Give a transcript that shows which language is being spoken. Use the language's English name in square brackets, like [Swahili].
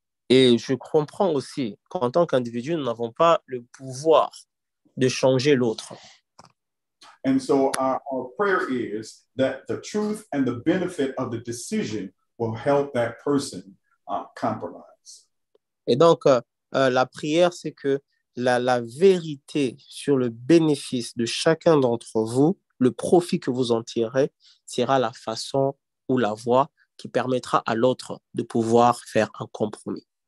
[French] Et je comprends aussi qu'en tant qu'individu, nous n'avons pas le pouvoir de changer l'autre. [English] And so our prayer is that the truth and the benefit of the decision will help that person compromise. [French] Et donc, la prière, c'est que la vérité sur le bénéfice de chacun d'entre vous, le profit que vous en tirez, sera la façon ou la voie qui permettra à l'autre de pouvoir faire un compromis.